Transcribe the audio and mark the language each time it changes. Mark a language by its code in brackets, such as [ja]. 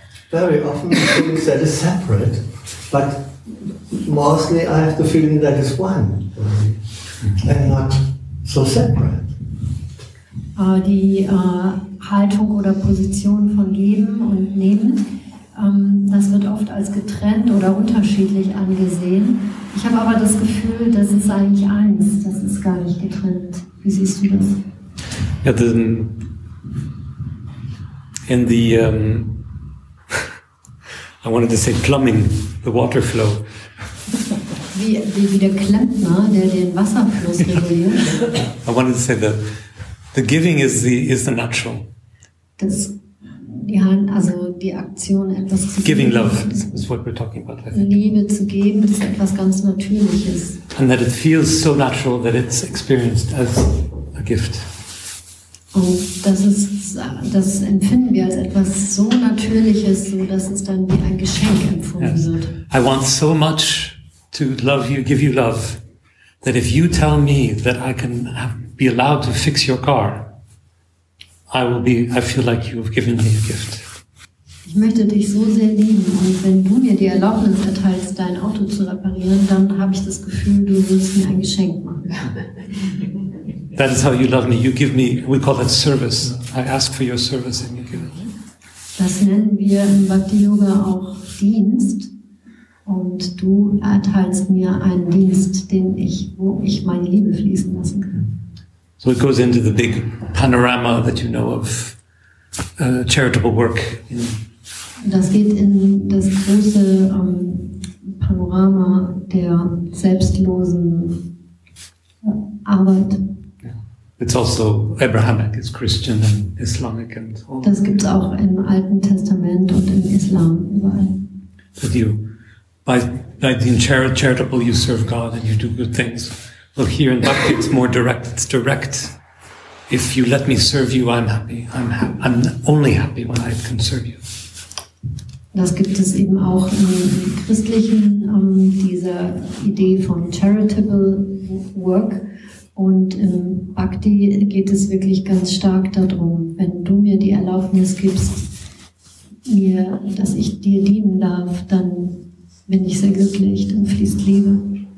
[en] Very often the things that is separate, but mostly I have the feeling that it's one and not so separate. [de] Die Haltung oder Position von Geben und Nehmen, das wird oft als getrennt oder unterschiedlich angesehen. Ich habe aber das Gefühl, das ist eigentlich eins, das ist gar nicht getrennt. Wie siehst du das? Ja, dann [en] in the I wanted to say plumbing, the water flow. [de] Wie der Klempner, der den Wasserfluss reguliert. [en] I wanted to say that the giving is the natural. [de] Das, die Hand, also die Aktion, etwas zu [en] giving [de] geben, [en] love is what we're talking about. [de] Liebe zu geben, das ist etwas ganz Natürliches. [en] And that it feels so natural that it's experienced as a gift. [de] Und das empfinden wir als etwas so Natürliches, so dass es dann wie ein Geschenk empfunden yes. wird. [en] I want so much to love you, give you love, that if you tell me that I can be allowed to fix your car, I feel like you've given me a gift. [de] Ich möchte dich so sehr lieben, und wenn du mir die Erlaubnis erteilst, dein Auto zu reparieren, dann habe ich das Gefühl, du willst mir ein Geschenk machen. [en] That is how you love me. You give me, we call that service. I ask for your service and you give it. [de] Das nennen wir im Bhakti Yoga auch Dienst. Und du erteilst mir einen Dienst, wo ich meine Liebe fließen lassen kann. [en] So it goes into the big panorama that you know of charitable work. [de] Das geht in das große Panorama der selbstlosen Arbeit. [en] It's also Abrahamic, it's Christian and Islamic and all. [de] Das gibt's auch im Alten Testament und im Islam überall. [en] But you, by being charitable, you serve God and you do good things. Well, here in Bhakti, it's more direct. It's direct. If you let me serve you, I'm happy. I'm only happy when I can serve you. [de] Das gibt es eben auch im Christlichen, diese Idee von [en] charitable work. [de] Und im Bhakti geht es wirklich ganz stark darum, wenn du mir die Erlaubnis gibst, mir, dass ich dir dienen darf, dann bin ich sehr glücklich, dann fließt Liebe.